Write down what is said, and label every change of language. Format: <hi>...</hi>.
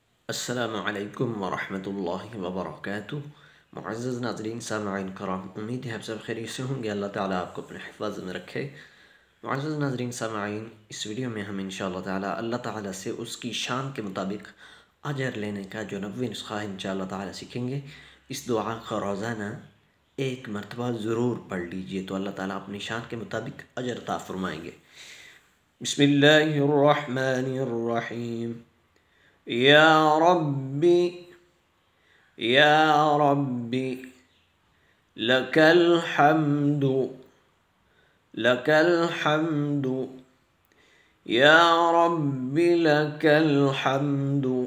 <ar>السلام عليكم ورحمة الله وبركاته.</ar> <ur>معزز ناظرين سامعين كرام، أمید ہے سب خیریت سے ہوں گے، اللہ تعالیٰ آپ کو اپنے حفاظت میں رکھے. معزز ناظرین سامعین، اس ویڈیو میں ہم انشاءاللہ تعالیٰ اللہ تعالیٰ سے اس کی شان کے مطابق اجر لینے کا جو نبوی نسخہ انشاءاللہ تعالیٰ سیکھیں گے. اس دعا کا روزانہ ایک مرتبہ ضرور پڑھ لیجئے تو اللہ تعالیٰ اپنی شان کے مطابق اجر عطا فرمائیں گے. بسم اللہ الرحمن الرحیم.</ur> <ar>يا ربي يا ربي لك الحمد لك الحمد يا ربي لك الحمد</ar>